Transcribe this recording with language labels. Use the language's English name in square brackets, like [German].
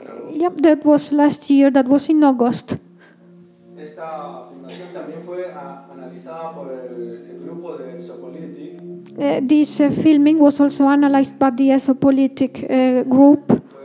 [English] Yep, that was last year, that was in August. [Spanish] Esta afirmación también fue analizada por el grupo de Exopolitik. [English] This filming was also analyzed by the Exopolitik group.